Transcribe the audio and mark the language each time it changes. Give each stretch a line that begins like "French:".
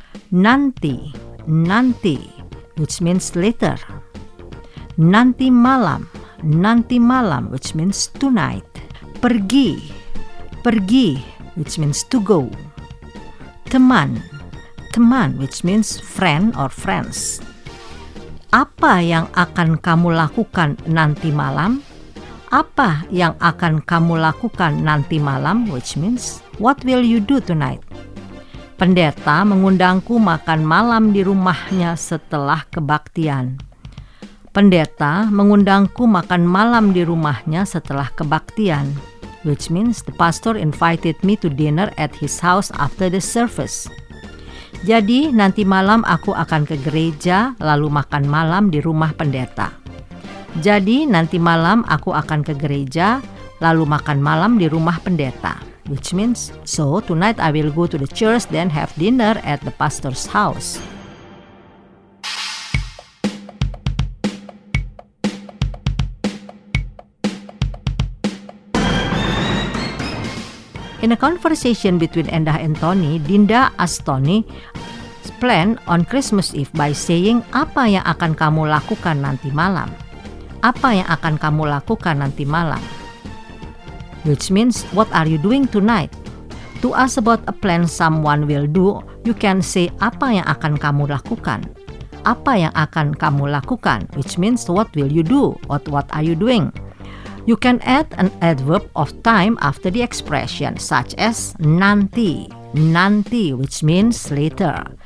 English: Nanti, nanti, which means later.
Indonesian: Nanti malam,
English: which means tonight. Pergi, pergi, which means to go. Teman, teman, which means friend or friends.
Indonesian: Apa yang akan kamu lakukan nanti malam? Apa yang akan kamu lakukan nanti malam,
English: which means what will you do tonight?
Indonesian: Pendeta mengundangku makan malam di rumahnya setelah kebaktian. Pendeta mengundangku makan malam di rumahnya setelah kebaktian,
English: which means the pastor invited me to dinner at his house after the service.
Indonesian: Jadi nanti malam aku akan ke gereja lalu makan malam di rumah pendeta. Jadi nanti malam aku akan ke gereja lalu makan malam di rumah pendeta,
English: which means so tonight I will go to the church then have dinner at the pastor's house. In a conversation between Endah and Tony, Dinda asked Tony plan on Christmas Eve by saying,
Indonesian: apa yang akan kamu lakukan nanti malam? Apa yang akan kamu lakukan nanti malam?
English: Which means, what are you doing tonight? To ask about a plan someone will do, you can say,
Indonesian: apa yang akan kamu lakukan? Apa yang akan kamu lakukan?
English: Which means, what will you do? What are you doing? You can add an adverb of time after the expression, such as nanti, nanti, which means later.